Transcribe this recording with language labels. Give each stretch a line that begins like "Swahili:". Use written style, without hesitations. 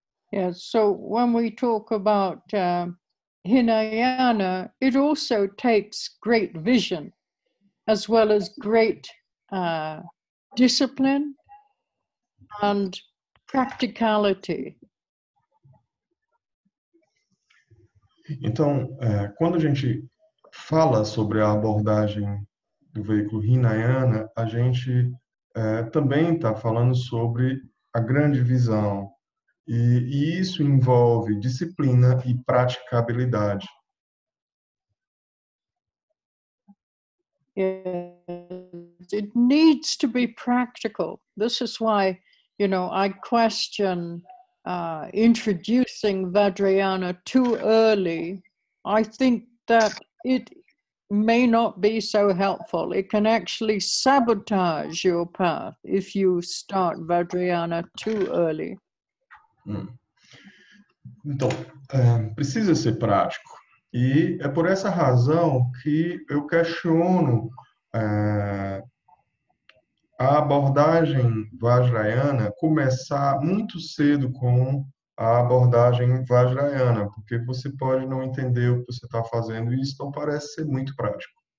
English: Yes, so when we talk about Hinayana, it also takes great vision, as well as great discipline and practicality.
Portuguese: Então, quando a gente fala sobre a abordagem do veículo Hinayana, a gente também está falando sobre a grande visão. E isso envolve disciplina e praticabilidade.
English: Yes, it needs to be practical. This is why, you know, I question introducing Vajrayana too early. I think that it may not be so helpful. It can actually sabotage your path if you start Vajrayana too early.
Portuguese: Então, precisa ser prático. E é por essa razão que eu questiono a abordagem Vajrayana começar muito cedo com a abordagem Vajrayana, porque você pode não entender o que você está fazendo e isso não parece ser muito prático.